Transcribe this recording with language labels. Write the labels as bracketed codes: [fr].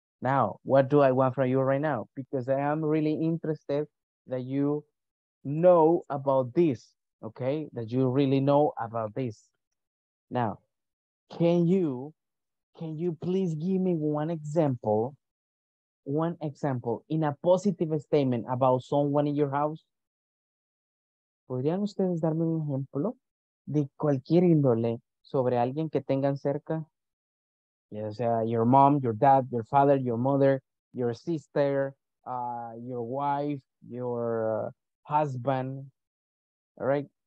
[en] Now, what do I want from you right now? Because I am really interested that you know about this, okay? That you really know about this. Now, can you please give me one example in a positive statement about someone in your house? [es] ¿Podrían ustedes darme un ejemplo de cualquier índole sobre alguien que tengan cerca? [en] Yes, your mom, your dad, your father, your mother, your sister, your wife, your husband, all right?